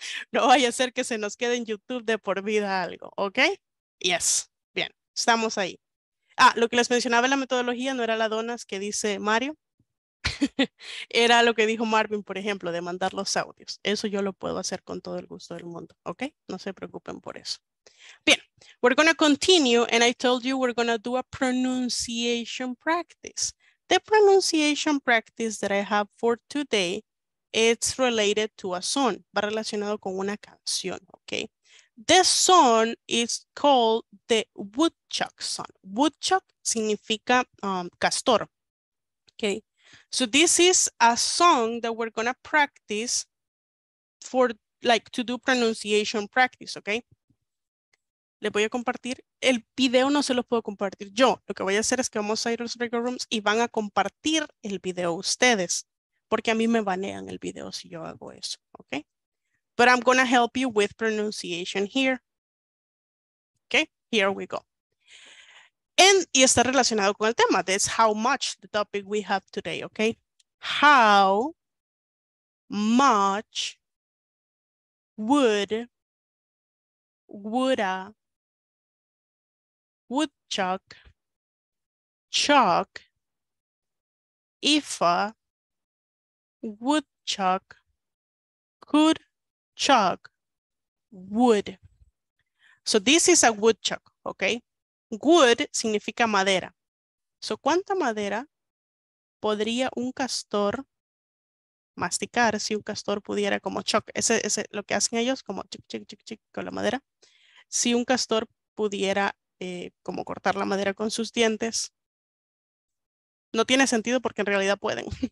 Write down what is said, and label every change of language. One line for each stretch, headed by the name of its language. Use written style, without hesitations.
Spanish: No vaya a ser que se nos quede en YouTube de por vida algo, ¿ok? Yes. Bien, estamos ahí. Ah, lo que les mencionaba en la metodología no era la donas que dice Mario. Era lo que dijo Marvin, por ejemplo, de mandar los audios. Eso yo lo puedo hacer con todo el gusto del mundo, ¿ok? No se preocupen por eso.
English: Bien, we're going to continue and I told you we're going to do a pronunciation practice. The pronunciation practice that I have for today, it's related to a song.
Spanish: Va relacionado con una canción, ¿ok?
English: This song is called the woodchuck song.
Spanish: Woodchuck significa castor. Okay.
English: So this is a song that we're going to practice for like to do pronunciation practice.
Spanish: Okay. Le voy a compartir. El video no se lo puedo compartir yo. Lo que voy a hacer es que vamos a ir a los regular rooms y van a compartir el video ustedes. Porque a mí me banean el video si yo hago eso. Okay.
English: But I'm going to help you with pronunciation here. Okay, here we go. And
Spanish: y está relacionado con el tema.
English: That's how much the topic we have today, okay? How much would a woodchuck chuck if a woodchuck could chuck wood. So this is a woodchuck, okay?
Spanish: Wood significa madera. So ¿cuánta madera podría un castor masticar, si un castor pudiera como choc, ese lo que hacen ellos como chic chic chic chic con la madera. Si un castor pudiera como cortar la madera con sus dientes, no tiene sentido porque en realidad pueden.